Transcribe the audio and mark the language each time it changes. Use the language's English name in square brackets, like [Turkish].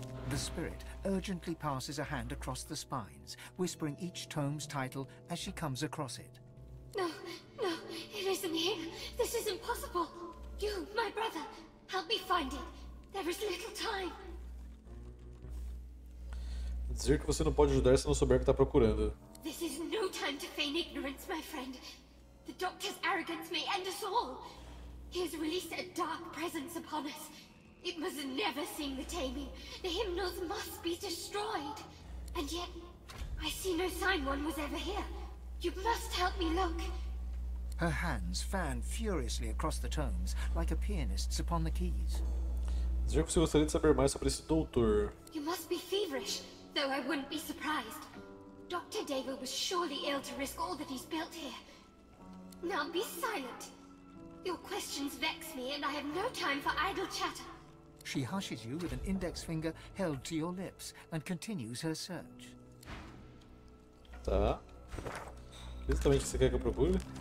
[English] The spirit urgently passes a hand across the spines, whispering each tome's title as she comes across it. No, no, it isn't here. This is impossible. You, my brother, help me find it. There is little time. [Portuguese] Dizer que você não pode ajudar se não souber o que está procurando. [English] This is no time to feign ignorance, my friend. The doctor's arrogance may end us all. He has released a dark presence upon us. It must never seem the taming. The hymnals must be destroyed. And yet, I see no sign one was ever here. You must help me look. Her hands fan furiously across the tones, like a pianist's upon the keys. [Portuguese] Dizer que você gostaria de saber mais sobre esse doutor. [English] You must be feverish, though I wouldn't be surprised. Dr. David was surely ill to risk all that he's built here. Now be silent. Your questions vex me, and I have no time for idle chatter. She hushes you with an index finger held to your lips and continues her search. [Portuguese] Tá. Exatamente o que você quer que eu procure?